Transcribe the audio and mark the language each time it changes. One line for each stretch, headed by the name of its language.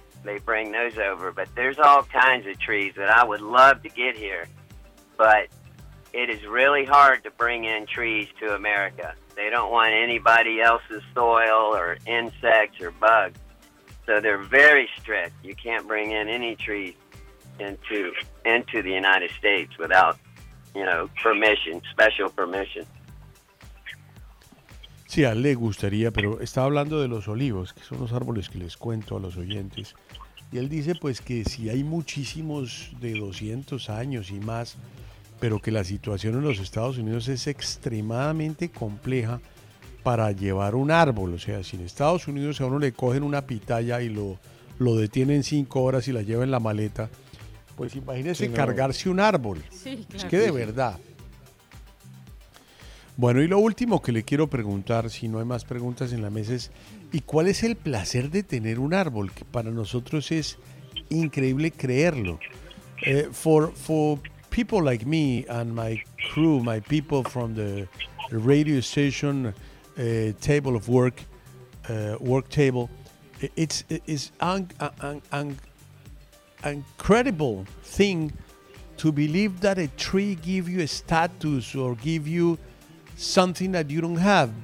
English: They bring those over, but there's all kinds of trees that I would love to get here, but it is really hard to bring in trees to America. They don't want anybody else's soil or insects or bugs, so they're very strict. You can't bring in any trees into the United States without, you know, permission, special permission.
Spanish: Sí, a él le gustaría, pero estaba hablando de los olivos, que son los árboles que les cuento a los oyentes. Y él dice pues que si hay muchísimos de 200 años y más, pero que la situación en los Estados Unidos es extremadamente compleja para llevar un árbol. O sea, si en Estados Unidos a uno le cogen una pitaya y lo detienen 5 horas y la lleva en la maleta, pues imagínese sí, no. Cargarse un árbol. Sí, claro. Es que de verdad. Bueno, y lo último que le quiero preguntar, si no hay más preguntas en la mesa, es ¿y cuál es el placer de tener un árbol? Que para nosotros es increíble creerlo.
English: For people like me and my crew, my people from the radio station, Table of Work, work table. It's an incredible thing to believe that a tree give you a status or give you something that you don't have.